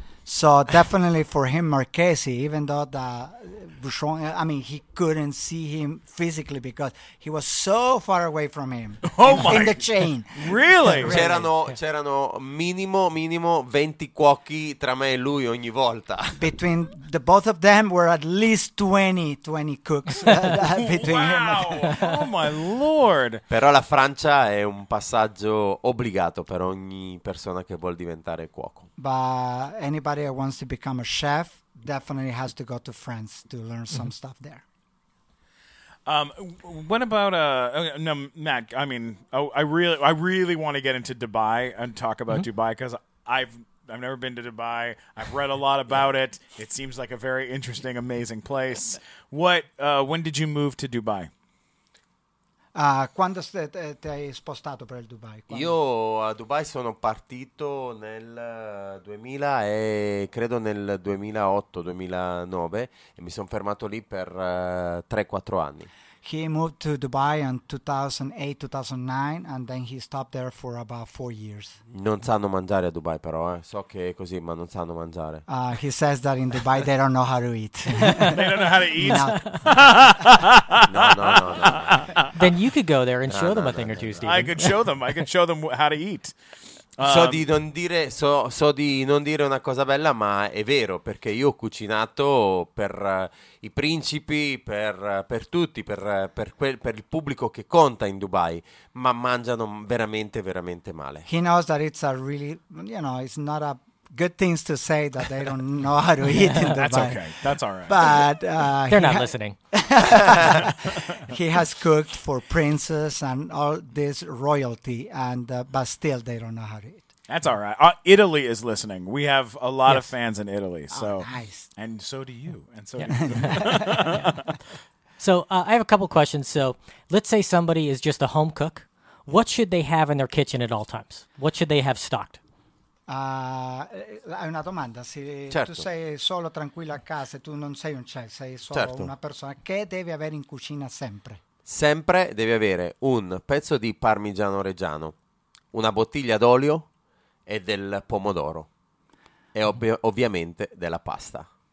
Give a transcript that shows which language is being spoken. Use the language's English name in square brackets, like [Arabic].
[English] So definitely for him, Marchesi, even though the Bouchon, I mean, he couldn't see him physically because he was so far away from him. In the chain. Really? [Italian] C'erano minimo 20 cuochi tra me e lui ogni volta. [English] Between the both of them were at least 20 cooks between Wow! Oh my lord! [Italian] Però la Francia è un passaggio obbligato per ogni persona che vuol diventare cuoco. [English] But anybody that wants to become a chef definitely has to go to France to learn some stuff there. What about no, Matt? I mean, I really want to get into Dubai and talk about Dubai because I've never been to Dubai. I've read a lot about it. It seems like a very interesting, amazing place. What? When did you move to Dubai? [Italian] Quando ti hai spostato per il Dubai? Quando? Io a Dubai sono partito nel 2000 e credo nel 2008-2009 e mi sono fermato lì per 3-4 anni. [English] He moved to Dubai in 2008-2009 and then he stopped there for about 4 years. [Italian] Non sanno mangiare a Dubai però, so che è così, ma non sanno mangiare. [English] He says that in Dubai they don't know how to eat. They don't know how to eat? No. Then you could go there and show them a thing or two, Steven. I could show them how to eat. [Italian] So di non dire una cosa bella, ma è vero, perché io ho cucinato per i principi, per tutti, per il pubblico che conta in Dubai, ma mangiano veramente, veramente male. [English] He knows that it's a really, you know, it's not a good thing to say that they don't know how to eat in Dubai. That's okay. That's all right. But they're not listening. He has cooked for princes and all this royalty, but still they don't know how to eat. That's all right. Italy is listening. We have a lot of fans in Italy. So nice. And so do you. And so So I have a couple questions. So let's say somebody is just a home cook. What should they have in their kitchen at all times? What should they have stocked? [Italian] Hai una domanda, tu sei solo tranquillo a casa, tu non sei un chef, sei solo una persona, che devi avere in cucina sempre? Sempre devi avere un pezzo di parmigiano reggiano, una bottiglia d'olio e del pomodoro e ovviamente della pasta.